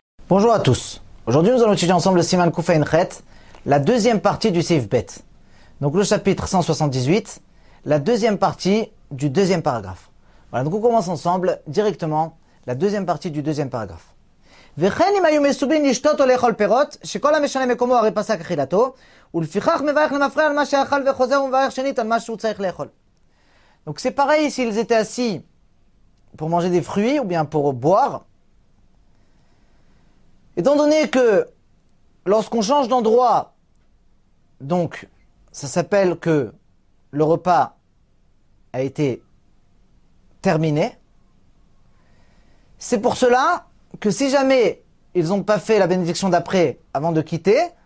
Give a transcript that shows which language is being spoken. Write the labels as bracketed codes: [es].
[fr] Bonjour à tous. Aujourd'hui, nous allons étudier ensemble le Siman Kouf Ayin Chet, la deuxième partie du Seif Bet. Donc le chapitre 178, la deuxième partie du deuxième paragraphe. Voilà, donc on commence ensemble directement la deuxième partie du deuxième paragraphe. [he] וכן אם היו מסובים לשתות או לאכול פירות, שכל המשנה מקומו הרי פסק אכילתו, ולפיכך מברך למפרע על מה שאכל וחוזר ומברך שנית על מה שהוא צריך לאכול. [fr] Donc c'est pareil s'ils étaient assis pour manger des fruits ou bien pour boire. Étant donné que lorsqu'on change d'endroit, donc ça s'appelle que le repas a été terminé, c'est pour cela que si jamais ils n'ont pas fait la bénédiction d'après avant de quitter,